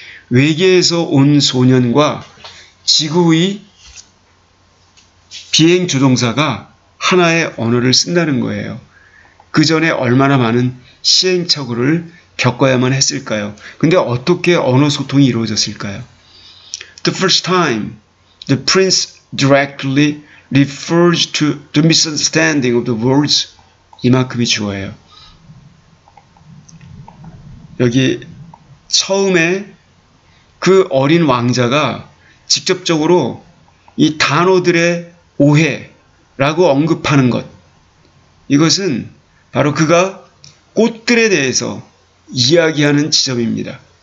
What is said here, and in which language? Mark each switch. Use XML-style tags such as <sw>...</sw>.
<ko>외계에서 온 소년과 지구의 비행조종사가 하나의 언어를 쓴다는 거예요. 그 전에 얼마나 많은 시행착오를 겪어야만 했을까요? 근데 어떻게 언어 소통이 이루어졌을까요?</ko> <en>The first time, the prince directly refers to the misunderstanding of the words.</en> <ko>이만큼이 주어예요. 여기 처음에 그 어린 왕자가 직접적으로 이 단어들의 오해라고 언급하는 것. 이것은 바로 그가 꽃들에 대해서 이야기하는 지점입니다.</ko>